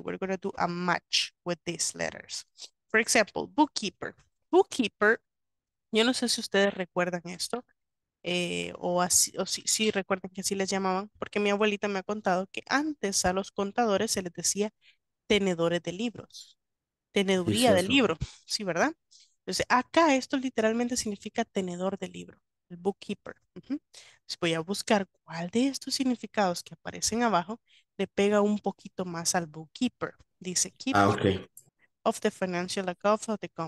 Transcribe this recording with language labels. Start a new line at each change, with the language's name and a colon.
English: We're gonna do a match with these letters. For example, bookkeeper.
Spanish: Bookkeeper, yo no sé si ustedes recuerdan esto, o si recuerdan que así les llamaban, porque mi abuelita me ha contado que antes a los contadores se les decía tenedores de libros. Teneduría de libro, sí, ¿verdad? Entonces, acá esto literalmente significa tenedor de libro, el bookkeeper. Entonces voy a buscar cuál de estos significados que aparecen abajo le pega un poquito más al bookkeeper. Dice
English: keeper of the financial account of the company.